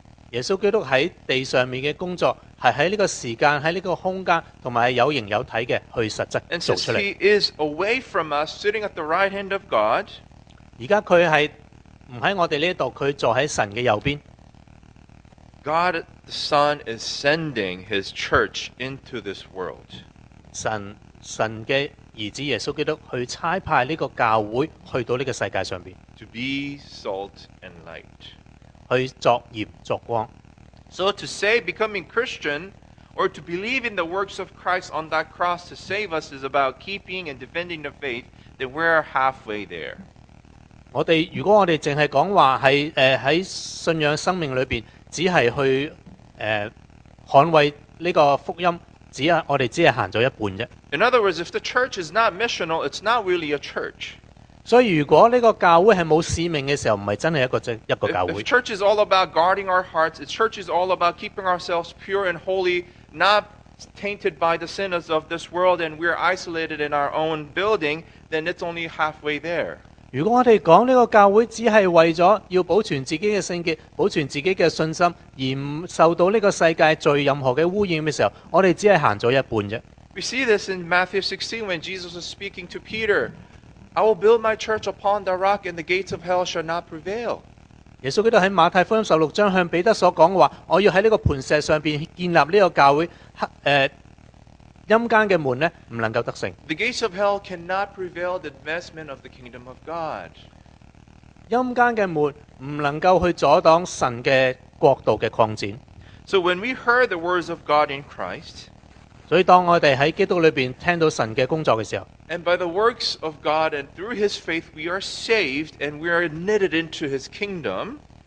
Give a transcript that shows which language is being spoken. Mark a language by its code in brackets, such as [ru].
[zh] 耶稣基督在地上面的工作是在这个时间，在这个空间，同埋有形有体的去实质做出来。 [en] And since he is away from us, sitting at the right hand of God, [zh] 现在他是不在我们这里，他坐在神的右边。 [en] God the Son is sending his church into this world. [zh] 神的儿子耶稣基督去差派这个教会去到这个世界上面。 [en] To be salt and light. [zh] 去作盐作光。 [en] So to say becoming Christian or to believe in the works of Christ on that cross to save us is about keeping and defending the faith, then we're halfway there. [zh] 如果我们只是说是在信仰生命里面只是去捍卫这个福音，我们只是行了一半。 [en] In other words, if the church is not missional, it's not really a church. [zh] 所以如果这个教会是没有使命的时候，不是真的一个教会。 [en] If church is all about guarding our hearts, if church is all about keeping ourselves pure and holy, not tainted by the sins of this world, and we're isolated in our own building, then it's only halfway there. [zh] 如果我们说这个教会只是为了要保存自己的圣洁，保存自己的信心，而不受到这个世界罪任何的污染的时候，我们只是走了一半而已。 [en] We see this in Matthew 16 when Jesus was speaking to Peter. I will build my church upon the rock and the gates of hell shall not prevail. [zh] 耶稣基督在马太福音16章向彼得所说的话, 我要在这个磐石上建立这个教会, 阴间的门呢, [en] the gates of hell cannot prevail the advancement of the kingdom of God. [zh] 阴间的门不能够去阻挡神的国度的扩展。 [en] So when we heard the words of God in Christ, [zh] 所以当我们在基督里面听到神的工作的时候, [en] and by the works of God and through His faith, we are saved and we are knitted into His kingdom.